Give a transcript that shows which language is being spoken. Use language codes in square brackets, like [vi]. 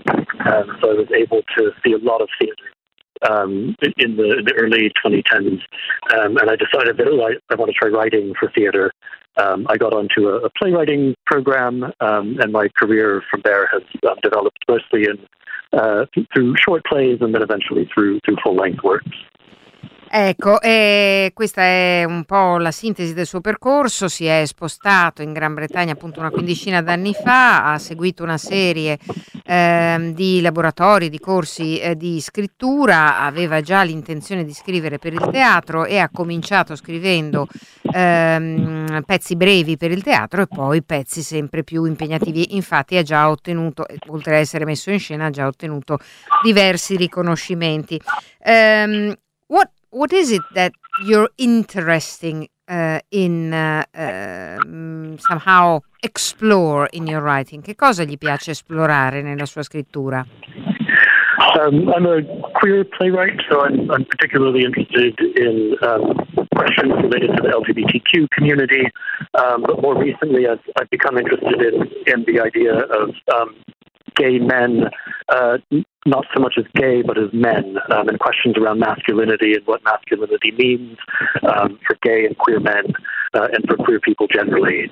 [en] So I was able to see a lot of theatre in the early 2010s. And I decided that I want to try writing for theatre. I got onto a playwriting program, and my career from there has developed mostly in through short plays and then eventually through full-length works. [it] Ecco, questa è un po' la sintesi del suo percorso. Si è spostato in Gran Bretagna appunto una quindicina d'anni fa, ha seguito una serie di laboratori, di corsi di scrittura, aveva già l'intenzione di scrivere per il teatro e ha cominciato scrivendo pezzi brevi per il teatro e poi pezzi sempre più impegnativi. Infatti ha già ottenuto, oltre ad essere messo in scena, ha già ottenuto diversi riconoscimenti. [en] What is it that you're interesting in somehow explore in your writing? [it] Che cosa gli piace esplorare nella sua scrittura? [en] I'm a queer playwright, so I'm particularly interested in questions related to the LGBTQ community. But more recently, I've become interested in the idea of gay men. Not so much as gay, but as men, and questions around masculinity and what masculinity means for gay and queer men, and for queer people generally.